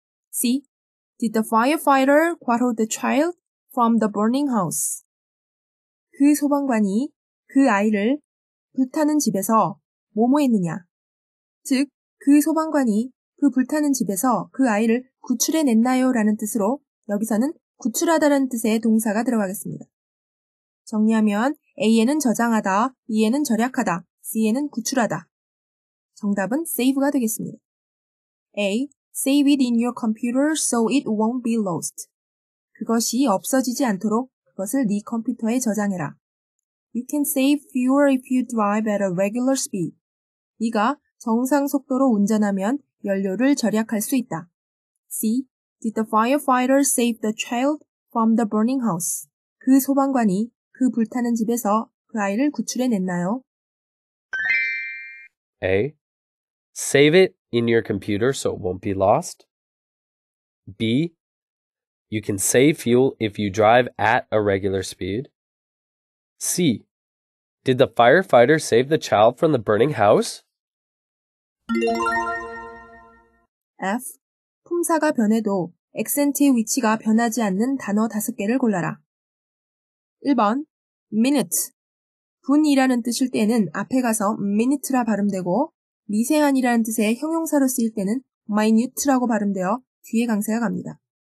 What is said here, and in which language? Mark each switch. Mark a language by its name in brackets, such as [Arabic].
[English] C. Did the firefighter 괄호 the child from the burning house? [Korean] 그 소방관이 그 아이를 불타는 집에서 뭐뭐 했느냐? 즉, 그 소방관이 그 불타는 집에서 그 아이를 구출해냈나요? 라는 뜻으로 여기서는 구출하다라는 뜻의 동사가 들어가겠습니다. 정리하면 A에는 저장하다, B에는 절약하다, C에는 구출하다. 정답은 save가 되겠습니다. A. [English] Save it in your computer so it won't be lost. [Korean] 그것이 없어지지 않도록 그것을 네 컴퓨터에 저장해라. [English] You can save fewer if you drive at a regular speed. [Korean] 네가 정상 속도로 운전하면 연료를 절약할 수 있다. C. [English] Did the firefighter save the child from the burning house? [Korean] 그 소방관이 그 불타는 집에서 그 아이를 구출해냈나요? A. [English] Save it in your computer so it won't be lost. B. You can save fuel if you drive at a regular speed. C. Did the firefighter save the child from the burning house? F. [Korean] 품사가 변해도 액센트의 위치가 변하지 않는 단어 다섯 개를 골라라. 1번 minute 분이라는 뜻일 때는 앞에 가서 minute라 발음되고 미세한이라는 뜻의 형용사로 쓰일 때는 minute라고 발음되어 뒤에 강세가 갑니다.